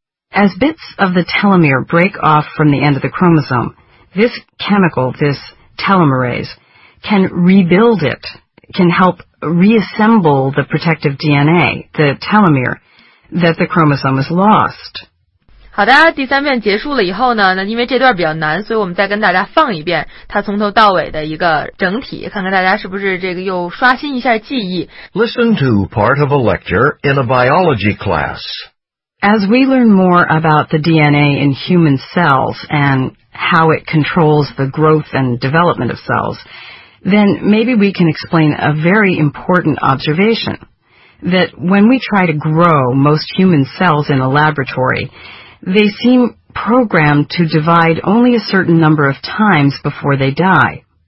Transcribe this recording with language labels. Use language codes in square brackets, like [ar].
[en] As bits of the telomere break off from the end of the chromosome, this chemical, this telomerase, can rebuild it, can help reassemble the protective DNA, the telomere, that the chromosome has lost. [zh] 好的第三遍结束了以后呢那因为这段比较难所以我们再跟大家放一遍它从头到尾的一个整体看看大家是不是这个又刷新一下记忆。 [en] Listen to part of a lecture in a biology class. As we learn more about the DNA in human cells and how it controls the growth and development of cells, then maybe we can explain a very important observation, that when we try to grow most human cells in a laboratory, they seem programmed to divide only a certain number of times before they die.